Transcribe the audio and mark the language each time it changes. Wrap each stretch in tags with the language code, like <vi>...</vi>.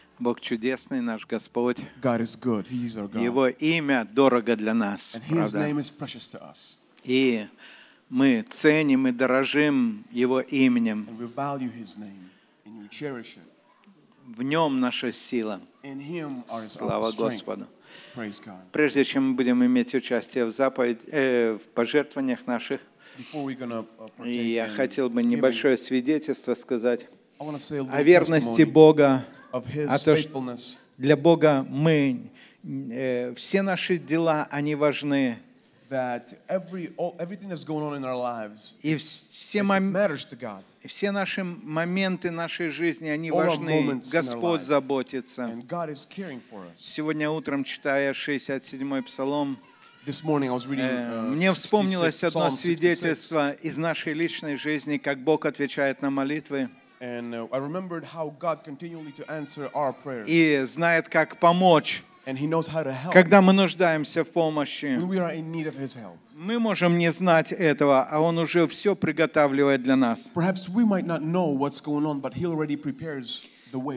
<ru>Бог чудесный, наш Господь.</ru> <en>God is good. He is our God.</en> <ru>Его имя дорого для нас.</ru> <en>And His name is precious to us.</en> <ru>И мы ценим и дорожим Его именем.</ru> <en>And we value His name and we cherish it.</en> <ru>В Нем наша сила.</ru> <en>In Him our strength.</en> <ru>Слава Господу!</ru> <en>Praise God.</en> <ru>Прежде чем мы будем иметь участие в в пожертвованиях наших, я хотел бы небольшое свидетельство сказать. О верности Бога, о том, что для Бога мы, все наши дела, они важны.</ru> <en>that everything that's going on in our lives matters to God.</en> <ru>Все наши моменты нашей жизни, они важны. Господь заботится.</ru> <en>And God is caring for us.</en> <ru>Сегодня утром, читая 67-й псалом,</ru> <en>This morning I was reading,</en> <ru>мне вспомнилось одно свидетельство из нашей личной жизни, как Бог отвечает на молитвы.</ru> <en>And I remembered how God continually to answer our prayers.</en> <ru>И знает, как помочь.</ru> <en>And he knows how to help.</en> <ru>Когда мы нуждаемся в помощи,</ru> <en>when we are in need of his help.</en> <ru>Мы можем не знать этого, а он уже все приготавливает для нас.</ru> <en>Perhaps we might not know what's going on, but he already prepares the way.</en>